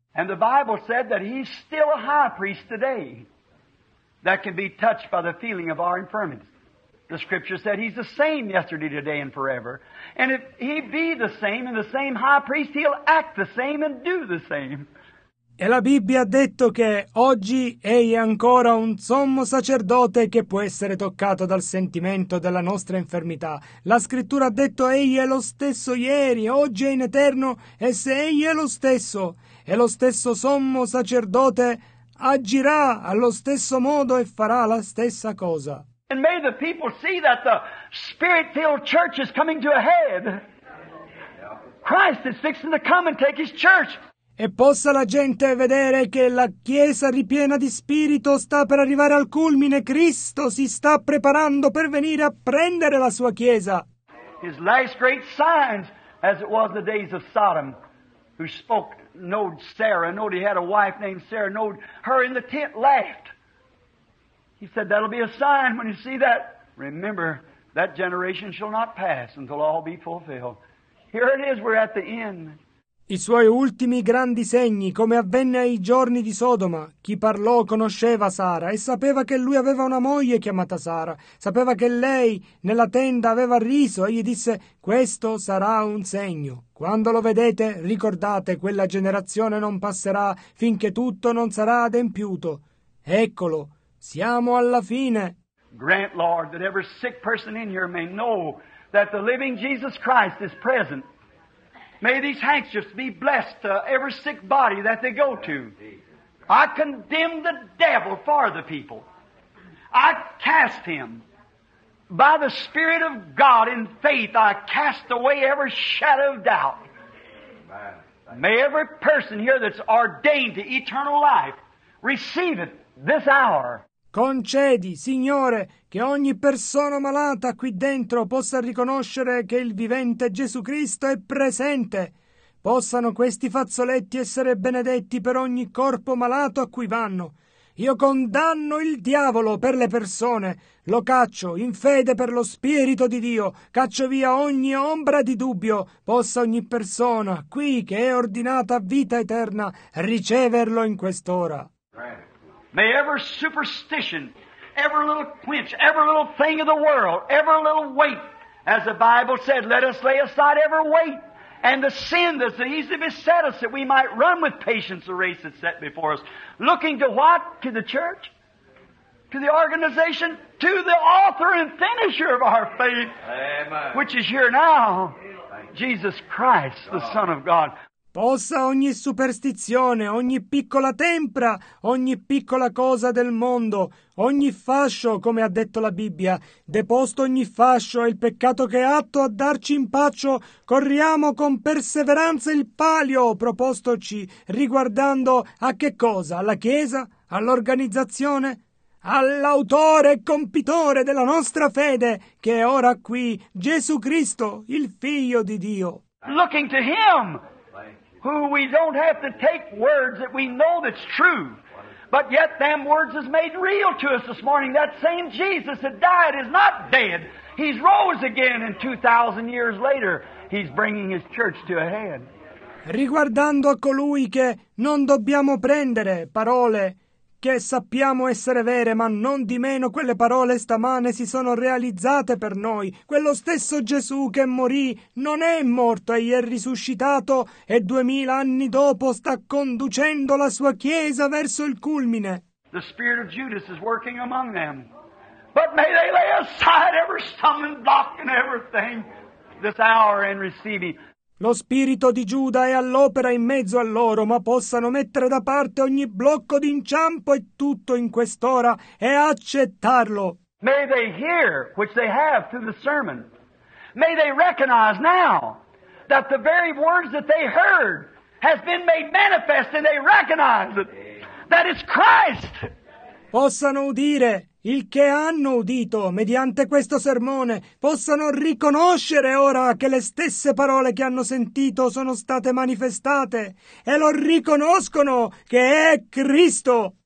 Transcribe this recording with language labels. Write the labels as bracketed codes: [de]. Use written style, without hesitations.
[en] And the Bible said that he's still a high priest today that can be touched by the feeling of our infirmities. The scripture said he's the same yesterday, today, and forever. And if he be the same and the same high priest, he'll act the same and do the same. [it] E la Bibbia ha detto che oggi egli è ancora un sommo sacerdote che può essere toccato dal sentimento della nostra infermità. La Scrittura ha detto egli è lo stesso ieri, oggi è in eterno, e se egli è lo stesso sommo sacerdote agirà allo stesso modo e farà la stessa cosa. [en] And may the people see that the Spirit-filled church is coming to a head. Christ is fixing to come and take his church. [it] E possa la gente vedere che la Chiesa ripiena di Spirito sta per arrivare al culmine. Cristo si sta preparando per venire a prendere la sua Chiesa. [en] His last great signs, as it was the days of Sodom, who spoke, knowed Sarah, knowed he had a wife named Sarah, knowed her in the tent, laughed. He said, "That'll be a sign when you see that. Remember, that generation shall not pass until all be fulfilled." Here it is, we're at the end. [it] I suoi ultimi grandi segni, come avvenne ai giorni di Sodoma. Chi parlò conosceva Sara e sapeva che lui aveva una moglie chiamata Sara. Sapeva che lei nella tenda aveva riso e gli disse, "Questo sarà un segno. Quando lo vedete, ricordate, quella generazione non passerà finché tutto non sarà adempiuto." Eccolo, siamo alla fine. [en] Grant, Lord, that every sick person in here may know that the living Jesus Christ is present. May these handkerchiefs be blessed to every sick body that they go to. I condemn the devil for the people. I cast him. By the Spirit of God in faith, I cast away every shadow of doubt. May every person here that's ordained to eternal life receive it this hour. [it] Concedi, Signore, che ogni persona malata qui dentro possa riconoscere che il vivente Gesù Cristo è presente. Possano questi fazzoletti essere benedetti per ogni corpo malato a cui vanno. Io condanno il diavolo per le persone. Lo caccio in fede per lo Spirito di Dio. Caccio via ogni ombra di dubbio. Possa ogni persona qui che è ordinata a vita eterna riceverlo in quest'ora. [en] May every superstition, every little quench, every little thing of the world, every little weight, as the Bible said, let us lay aside every weight and the sin that so easily beset us, that we might run with patience the race that's set before us. Looking to what? To the church? To the organization? To the author and finisher of our faith, amen, which is here now, Jesus Christ, God, the Son of God. [it] Possa ogni superstizione, ogni piccola tempra, ogni piccola cosa del mondo, ogni fascio, come ha detto la Bibbia, deposto ogni fascio e il peccato che è atto a darci impaccio, corriamo con perseveranza il palio propostoci riguardando a che cosa? Alla Chiesa? All'organizzazione? All'autore e compitore della nostra fede, che è ora qui, Gesù Cristo, il Figlio di Dio. [en] Looking to Him! Who we don't have to take words that we know that's true, but yet them words is made real to us this morning. That same Jesus that died is not dead. He's rose again, and 2,000 years later, he's bringing his church to a head. [it] Riguardando a colui che non dobbiamo prendere parole che sappiamo essere vere, ma non di meno quelle parole stamane si sono realizzate per noi. Quello stesso Gesù che morì non è morto, egli è risuscitato e 2000 anni dopo sta conducendo la sua chiesa verso il culmine. [en] The spirit of Judas is working among them. But may they lay aside every stumbling block and everything this hour and receive him. [it] Lo spirito di Giuda è all'opera in mezzo a loro, ma possano mettere da parte ogni blocco d'inciampo e tutto in quest'ora e accettarlo. [en] May they hear, which they have through the sermon. May they recognize now that the very words that they heard has been made manifest and they recognize it, that it's Christ. [it] Possano udire il che hanno udito mediante questo sermone, possano riconoscere ora che le stesse parole che hanno sentito sono state manifestate e lo riconoscono che è Cristo.